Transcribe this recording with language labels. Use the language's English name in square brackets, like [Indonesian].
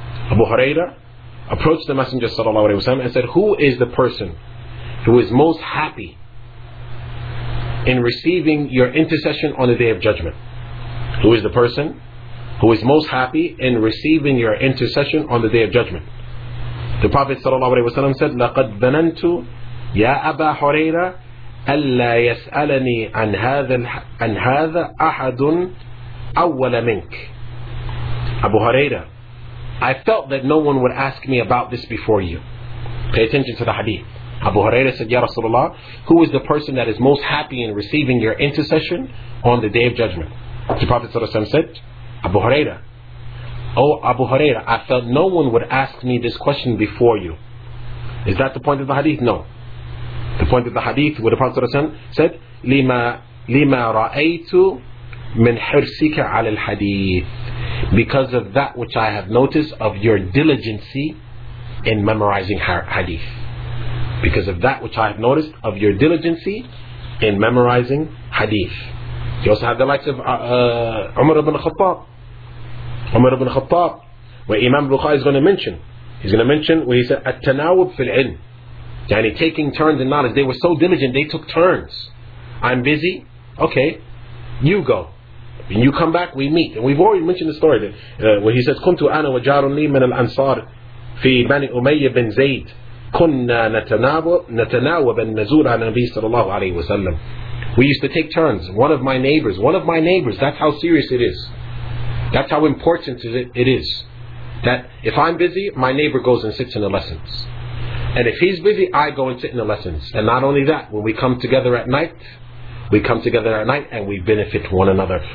[English] Abu Hurairah approached the Messenger sallallahu alayhi wa sallam and said, who is the person who is most happy in receiving your intercession on the Day of Judgment? Who is the person who is most happy in receiving your intercession on the Day of Judgment. The Prophet ﷺ said, [Arabic] لَقَدْ بَنَنْتُ يَا أَبَا حُرَيْرَ أَلَّا يَسْأَلَنِي عَنْ هَذَا أَحَدٌ أَوَّلَ مِنْكَ. [English] Abu Huraira, I felt that no one would ask me about this before you. Pay attention to the hadith. Abu Huraira said, Ya Rasulullah, who is the person that is most happy in receiving your intercession on the Day of Judgment? The Prophet ﷺ said, Abu Huraira. Oh, Abu Huraira, I felt no one would ask me this question before you. Is that the point of the hadith? No. The point of the hadith, where the Prophet ﷺ said, [Arabic] لِمَا رَأَيْتُ مِنْ حِرْسِكَ عَلَى الْحَدِيثِ. [English] Because of that which I have noticed of your diligency in memorizing hadith. Because of that which I have noticed of your diligency in memorizing hadith. You also have the likes of Umar ibn Khattab. Umar ibn Khattab, where Imam Bukhari is going to mention. He's going to mention where he said, At-tanawub fil-ilm. Yani taking turns in knowledge. They were so diligent, they took turns. I'm busy. Okay, you go. When you come back, we meet. And we've already mentioned the story that, where he says, [Arabic] كُنْتُ أَنَا وَجَارٌ لِي مِنَ الْأَنصَارِ فِي بَنِي أُمَيَّ بِنْ زَيْدِ كُنَّا نَتَنَاوَبَ النَّزُولَ عَلَى النَّبِي صلى الله عليه وسلم. [English] We used to take turns. One of my neighbors, that's how serious it is. That's how important it is. That if I'm busy, my neighbor goes and sits in the lessons. And if he's busy, I go and sit in the lessons. And not only that, when we come together at night, we come together at night and we benefit one another.